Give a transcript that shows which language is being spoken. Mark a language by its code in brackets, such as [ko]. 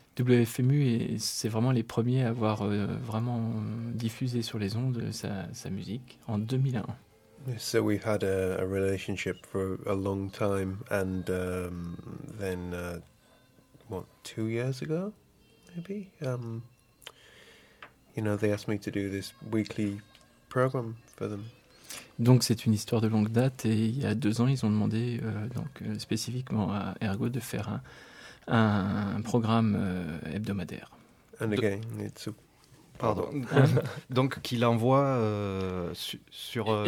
[fr] WFMU, c'est vraiment les premiers à avoir vraiment diffusé sur les ondes sa musique en 2001. [en] So we had a relationship for a long time, and then what, 2 years ago, maybe? You know, they asked me to do this weekly program for them. [fr] Donc c'est une histoire de longue date et il y a 2 ans ils ont demandé donc spécifiquement à Ergo de faire un programme hebdomadaire. [en] And again, it's a... [fr] pardon. Donc qu'il envoie sur.